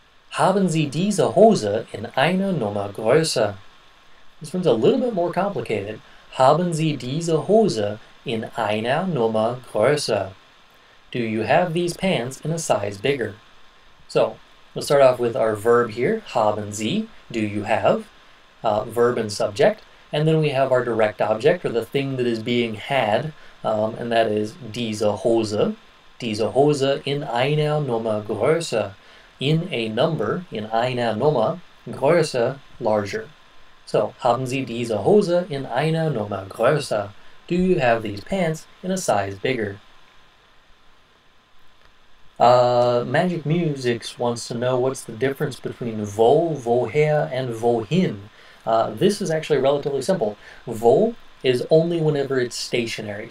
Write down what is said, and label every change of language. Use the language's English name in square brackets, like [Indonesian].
[German] Haben Sie diese Hose in einer Nummer größer? [English] This one's a little bit more complicated. [German] Haben Sie diese Hose in einer Nummer größer? [English] Do you have these pants in a size bigger? So, we'll start off with our verb here. [German] Haben Sie, [English] do you have? Verb and subject. And then we have our direct object, or the thing that is being had, and that is [German] diese Hose. Diese Hose in einer Nummer größer. [English] In a number, [German] in einer Nummer, größer, [English] larger. [German] So, haben Sie diese Hose in einer Nummer größer? [English] Do you have these pants in a size bigger? Magic Music wants to know what's the difference between wo, woher, and wohin. This is actually relatively simple. Wo is only whenever it's stationary.